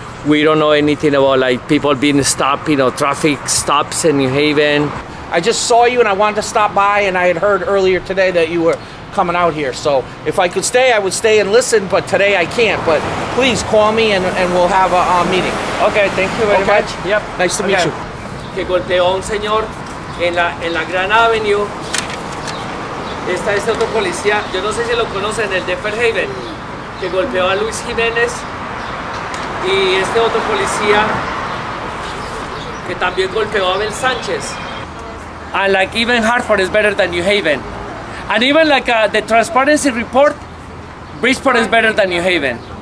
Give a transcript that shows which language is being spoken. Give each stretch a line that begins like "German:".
English: We don't know anything about, like, people being stopped, you know, traffic stops in New Haven. I just saw you and I wanted to stop by, and I had heard earlier today that you were coming out here. So if I could stay, I would stay and listen, but today I can't. But please call me and we'll have a meeting. Okay, thank you very much. Yep. Nice to meet you.
Spanish: Que golpeó a un señor en la Grand Avenue. Está este otro policía, yo no sé si lo conocen, el de Fairhaven, que golpeó a Luis Jiménez, y este otro policía que también golpeó a Abel Sánchez.
English: And like even Hartford is better than New Haven, and even like the transparency report, Bridgeport is better than New Haven.